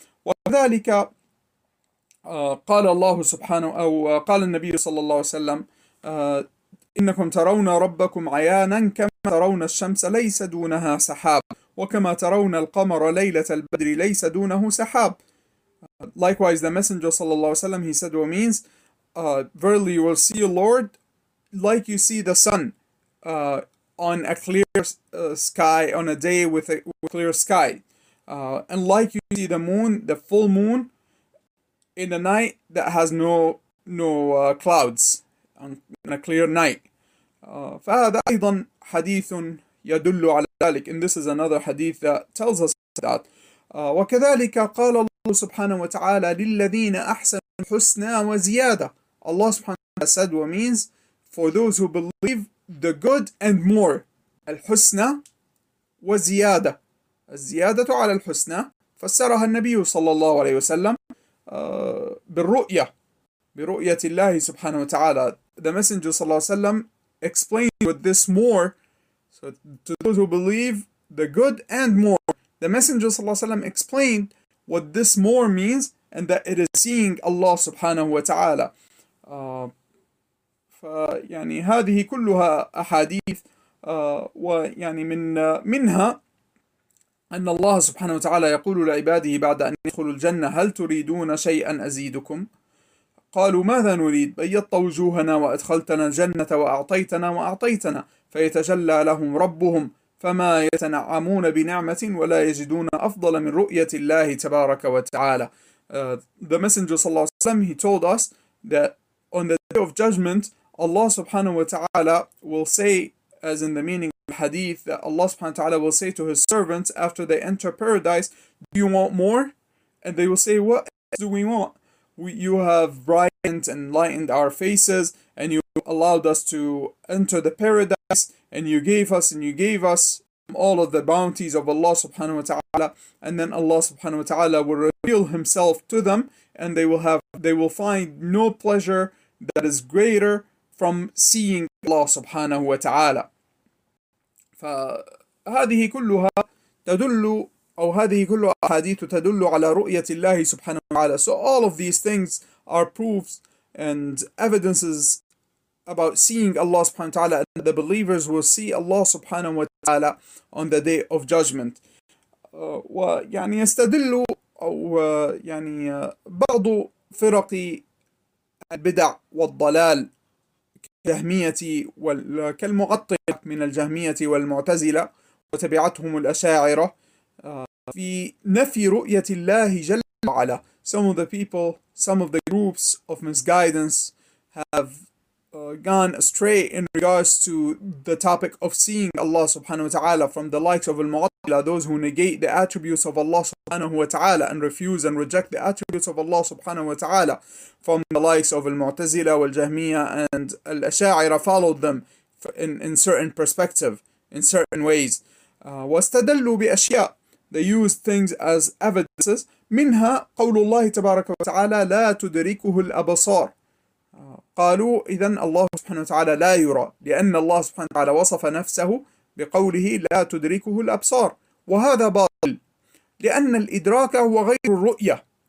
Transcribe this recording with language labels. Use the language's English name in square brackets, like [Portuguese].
[Arabic] وذلك قال الله سبحانه أو قال النبي صلى الله عليه وسلم إنكم ترون ربكم عيانا كما ترون الشمس ليس دونها سحاب وكما ترون القمر ليلة البدر ليس دونه سحاب. [English] Likewise, the Messenger صلى الله عليه وسلم, he said, what means, verily you will see your Lord like you see the sun on a clear sky, on a day with a clear sky. And like you see the moon, the full moon, in a night that has no clouds, on a clear night. [Arabic] فهذا أيضا حديث يدل على ذلك. [English] And this is another hadith that tells us that. [Arabic] وكذلك قال الله سبحانه وتعالى للذين أحسنوا الحسنى وزيادة. [English] Allah سبحانه وتعالى said what means for those who believe the good and more. [Arabic] الحسنى وزيادة. الزيادة على الحسنى فسرها النبي صلى الله عليه وسلم بالرؤية. برؤية الله سبحانه وتعالى. [English] The Messenger صلى الله عليه وسلم explained with this more. So to those who believe the good and more. The Messenger صلى الله عليه وسلم explained what this more means and that it is seeing Allah سبحانه وتعالى. [Arabic] فيعني هذه كلها أحاديث ويعني منها أن الله سبحانه وتعالى يقول لعباده بعد أن يدخلوا الجنة هل تريدون شيئا أزيدكم؟ قالوا ماذا نريد؟ بيضت وجوهنا وأدخلتنا الجنة وأعطيتنا فيتجلى لهم ربهم فما يتنعمون بنعمة ولا يجدون أفضل من رؤية الله تبارك وتعالى. [English] The Messenger صلى الله عليه وسلم, he told us that on the day of judgment, Allah subhanahu wa ta'ala will say, as in the meaning of the hadith, that Allah subhanahu wa ta'ala will say to his servants after they enter paradise, do you want more? And they will say, what else do we want? You have brightened and lightened our faces, and you allowed us to enter the paradise, and you gave us all of the bounties of Allah subhanahu wa ta'ala. And then Allah subhanahu wa ta'ala will reveal himself to them, and they will find no pleasure that is greater from seeing Allah subhanahu wa ta'ala. فهذه كلها تدل أو هذه كلها أحاديث تدل على رؤية الله سبحانه وتعالى. So all of these things are proofs and evidences about seeing Allah subhanahu wa ta'ala, and the believers will see Allah subhanahu wa ta'ala on the day of judgment. [Arabic] ويعني يستدل أو يعني بعض فرق البدع والضلال كالجهمية كالمعطلة من الجهمية والمعتزلة وتبعتهم الأشاعرة في نفي رؤية الله جل وعلا. [English] Some of the people, some of the groups of misguidance have gone astray in regards to the topic of seeing Allah subhanahu wa ta'ala, from the likes of al-mu'attila, those who negate the attributes of Allah subhanahu wa ta'ala and refuse and reject the attributes of Allah subhanahu wa ta'ala, from the likes of al-mu'tazila wal-jahmiya and al-asha'ira, followed them in certain perspective, in certain ways. [Arabic] واستدلوا بأشياء, [English] they used things as evidences, [Arabic] منها قول الله تبارك وتعالى لا تدركه الأبصار. قالوا إذن الله سبحانه وتعالى لا يرى, لأن الله سبحانه وتعالى وصف نفسه بقوله لا تدركه الأبصار, وهذا باطل, لأن الإدراك هو غير الرؤية.